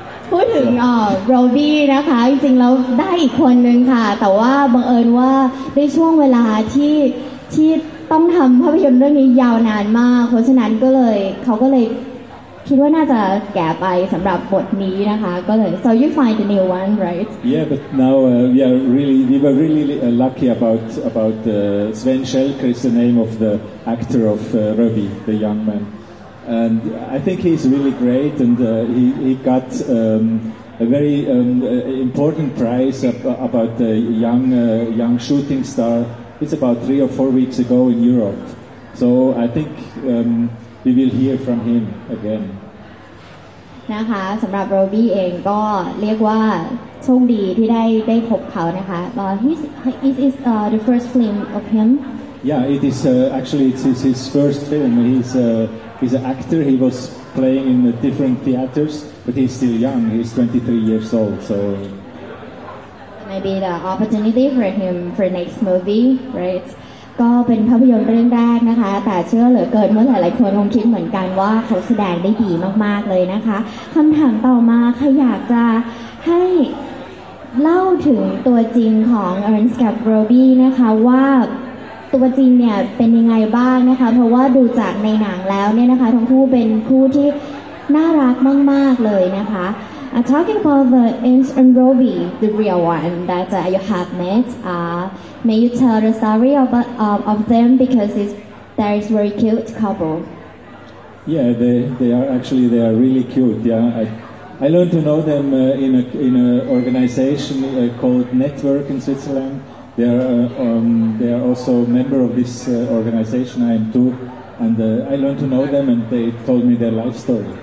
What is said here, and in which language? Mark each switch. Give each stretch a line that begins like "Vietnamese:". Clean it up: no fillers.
Thai: พูดถึงRavi นะคะจริงๆแล้วได้อีกคนนึงค่ะแต่ว่าบังเอิญว่าในช่วงเวลาที่ต้องทำภาพยนตร์เรื่องนี้ยาวนานมากเพราะฉะนั้นเขาก็เลยคิดว่าน่าจะแก่ไปสำหรับบทนี้นะคะก็เลย
English: so you find the new one right yeah but now we were really lucky about Sven Schelke is the name of the actor of Ravi the young man and I think he's really great and he got a very important prize about the young shooting star it's about 3 or 4 weeks ago in Europe so I thinkWe will hear from him again.
Thai: นะคะสำหรับโรบี้เองก็เรียกว่าโชคดีที่ได้พบเขานะคะ
English: It is the first film of him. Yeah, it is actually it's his first film. He's an actor. He was playing in the different theaters, but he's still young. He's 23 years old. So maybe the opportunity for him for next movie, right?
Thai: ก็เป็นภาพยนตร์เรื่องแรกนะคะแต่เชื่อเหลือเกินว่าหลายๆคนคงคิดเหมือนกันว่าเขาแสดงได้ดีมากๆเลยนะคะคำถามต่อมาค่ะอยากจะให้ เล่าถึงตัวจริงของอรันสกับโรบี้นะคะว่าตัวจริงเนี่ยเป็นยังไงบ้างนะคะเพราะว่าดูจากในหนังแล้วเนี่ยนะคะทั้งคู่เป็นคู่ที่น่ารักมากๆเลยนะคะ
English: Talking about the Ernst and Robbie, the real one that you have met, may you tell the story of them because it's, there is very cute couple. Yeah, they are actually they are really cute. Yeah, I learned to know them in a organization called Network in Switzerland. They are also a member of this organization. I am too, and I learned to know them, and they told me their life story.